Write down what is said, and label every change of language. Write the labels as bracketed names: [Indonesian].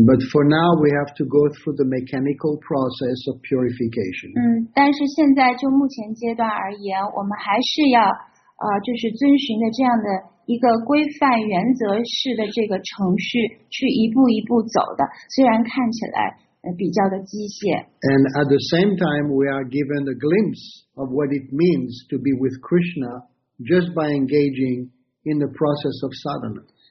[English] But for now, we have to go through the mechanical process of purification. [Chinese] 但是现在就目前阶段而言，我们还是要就是遵循的这样的一个规范原则式的这个程序去一步一步走的，虽然看起来比较的机械。 [English] And at the same time, we are given a glimpse of what it means to be with Krishna just by engaging in the process of sadhana.